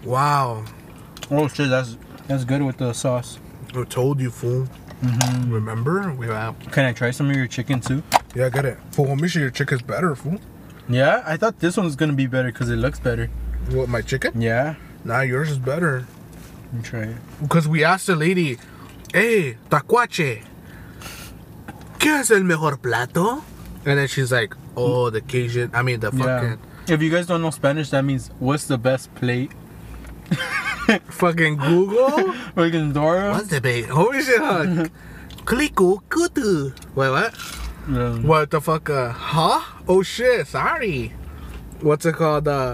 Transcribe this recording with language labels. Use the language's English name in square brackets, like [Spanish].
[English] Wow. Oh shit, that's good with the sauce. I told you, fool. Remember? Can I try some of your chicken too? Yeah, I got it. Fool, make sure your chicken's better, fool. Yeah, I thought this one was gonna be better because it looks better. What, my chicken? Yeah. Nah, yours is better. Let me try it. Because we asked the lady, hey, tacuache, [Spanish] ¿qué es el mejor plato? [English] And then she's like, oh, the Cajun, I mean the fucking... Yeah. If you guys don't know Spanish, that means, what's the best plate? Fucking Google? Fucking Dora? What's the bait? Holy shit, huh? Clico, kutu. Wait, what? What the fuck? Huh? Oh, shit. Sorry. What's it called?